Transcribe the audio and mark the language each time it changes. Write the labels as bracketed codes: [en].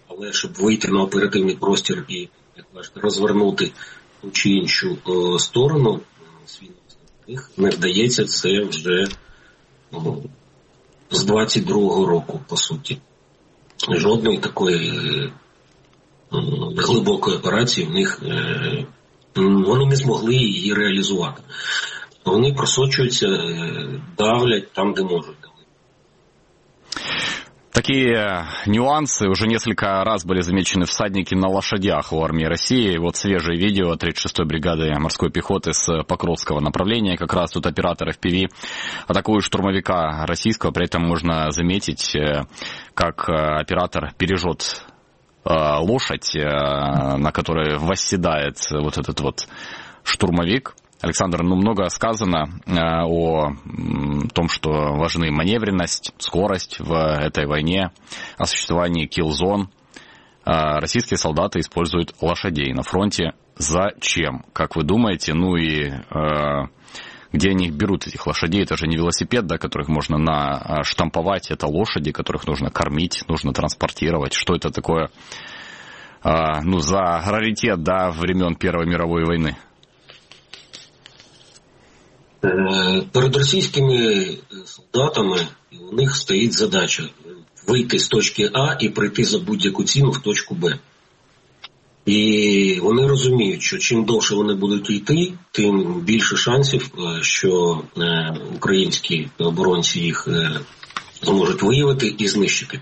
[uk] Але щоб вийти на оперативний простір і, як кажете, розвернути ту чи іншу сторону своїх, не вдається це вже з 22-го року, по суті. Жодної такої глибокої операції в них вони не змогли її реалізувати. Вони просочуються, давлять там, де можуть. [ru] Такие нюансы уже несколько раз были замечены всадники на лошадях у армии России. Вот свежее видео 36-й бригады морской пехоты с Покровского направления. Как раз тут оператор FPV атакует штурмовика российского. При этом можно заметить, как оператор бережет лошадь, на которой восседает вот этот вот штурмовик. Александр, ну много сказано о том, что важны маневренность, скорость в этой войне, о существовании киллзон. Российские солдаты используют лошадей на фронте. Зачем, как вы думаете? Ну и где они берут этих лошадей? Это же не велосипед, да, которых можно наштамповать. Это лошади, которых нужно кормить, нужно транспортировать. Что это такое ну, за раритет, да, времен Первой мировой войны? [uk] Перед російськими солдатами у них стоїть задача вийти з точки А і прийти за будь-яку ціну в точку Б. І вони розуміють, що чим довше вони будуть йти, тим більше шансів, що українські оборонці їх зможуть виявити і знищити.